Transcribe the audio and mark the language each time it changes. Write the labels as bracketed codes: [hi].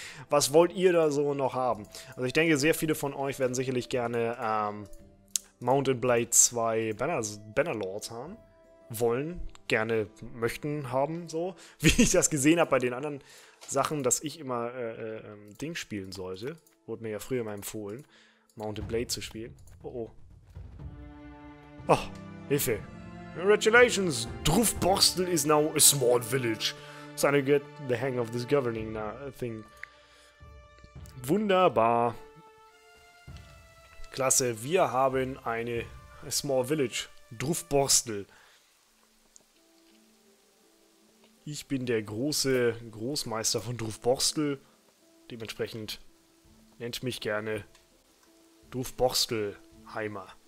[de] Was wollt ihr da so noch haben? Also ich denke, sehr viele von euch werden sicherlich gerne Mount & Blade 2 Bannerlords haben. Wollen, gerne möchten haben, so. Wie ich das gesehen habe bei den anderen Sachen, dass ich immer Ding spielen sollte. Wurde mir ja früher mal empfohlen, Mount & Blade zu spielen. Oh, oh. Oh, Hilfe. [en] Congratulations, Druffborstel is now a small village. Trying to get the hang of this governing thing. [de] Wunderbar. Klasse, wir haben eine [en] small village. [de] Druffborstel. Ich bin der große Großmeister von Druffborstel. Dementsprechend nennt mich gerne Druffborstelheimer.